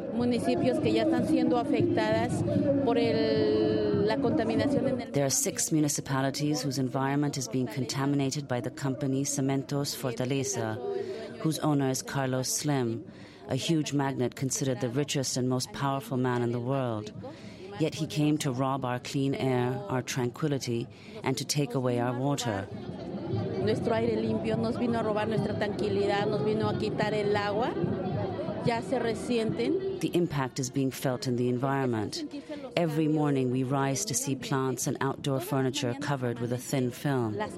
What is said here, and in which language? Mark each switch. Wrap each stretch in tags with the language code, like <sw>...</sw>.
<es>Municipios que ya están siendo afectadas por el...</es> <en>There are six municipalities whose environment is being contaminated by the company Cementos Fortaleza, whose owner is Carlos Slim, a huge magnate considered the richest and most powerful man in the world. Yet he came to rob our clean air, our tranquility, and to take away our water.</en> <es>Nuestro aire limpio nos vino a robar nuestra tranquilidad, nos vino a quitar el agua.</es> <en>The impact is being felt in the environment. Every morning we rise to see plants and outdoor furniture covered with a thin film.</en>